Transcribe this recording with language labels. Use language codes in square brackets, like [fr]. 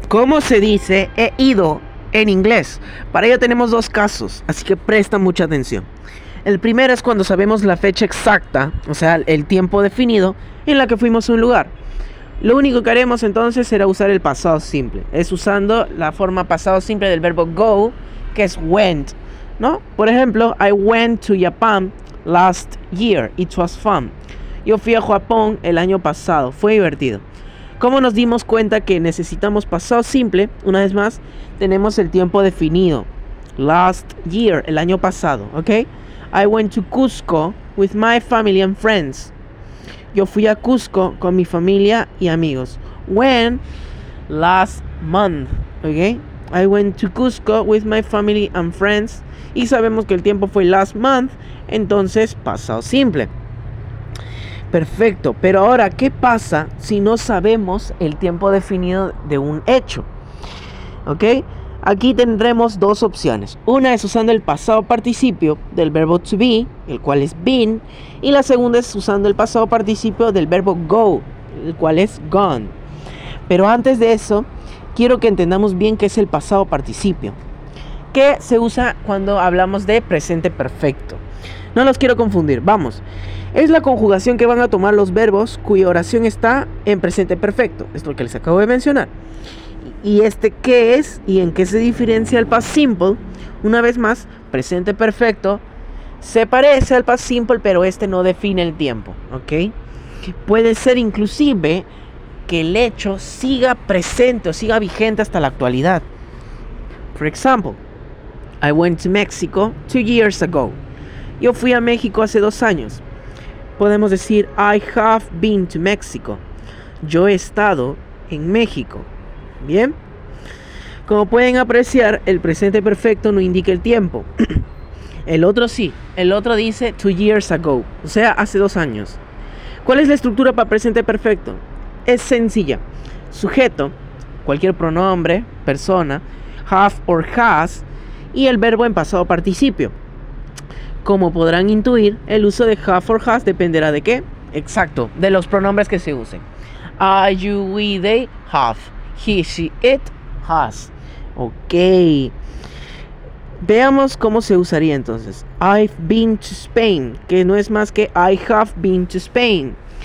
[es] ¿Cómo se dice he ido en inglés? Para ello tenemos dos casos, así que presta mucha atención. El primero es cuando sabemos la fecha exacta, o sea, el tiempo definido en la que fuimos a un lugar. Lo único que haremos entonces será usar el pasado simple. Es usando la forma pasado simple del verbo go, que es went, ¿no? [en] Por ejemplo, I went to Japan last year. It was fun. [es] Yo fui a Japón el año pasado. Fue divertido. ¿Cómo nos dimos cuenta que necesitamos pasado simple? Una vez más, tenemos el tiempo definido. [en] Last year, [es] el año pasado, ¿ok? [en] I went to Cusco with my family and friends. [es] Yo fui a Cusco con mi familia y amigos. [en] When? Last month, ¿ok? I went to Cusco with my family and friends. [es] Y sabemos que el tiempo fue [en] last month, [es] entonces pasado simple. Perfecto, pero ahora, ¿qué pasa si no sabemos el tiempo definido de un hecho? ¿Ok? Aquí tendremos dos opciones. Una es usando el pasado participio del verbo to be, el cual es been. Y la segunda es usando el pasado participio del verbo go, el cual es gone. Pero antes de eso, quiero que entendamos bien qué es el pasado participio, que se usa cuando hablamos de presente perfecto. No los quiero confundir, vamos. Es la conjugación que van a tomar los verbos cuya oración está en presente perfecto. Es lo que les acabo de mencionar. ¿Y este qué es y en qué se diferencia el past simple? Una vez más, presente perfecto se parece al past simple, pero este no define el tiempo, ¿ok? Puede ser inclusive que el hecho siga presente o siga vigente hasta la actualidad. [en] For example, I went to Mexico 2 years ago. [es] Yo fui a México hace 2 años. Podemos decir, [en] I have been to Mexico. [es] Yo he estado en México. Bien. Como pueden apreciar, el presente perfecto no indica el tiempo. El otro sí. El otro dice, [en] 2 years ago. [es] O sea, hace 2 años. ¿Cuál es la estructura para presente perfecto? Es sencilla. Sujeto, cualquier pronombre, persona, have or has, y el verbo en pasado participio. Como podrán intuir, el uso de have or has dependerá de qué. Exacto, de los pronombres que se usen. [en] I, you, we, they, have. He, she, it, has. Ok. [es] Veamos cómo se usaría entonces. [en] I've been to Spain, [es] que no es más que [en] I have been to Spain.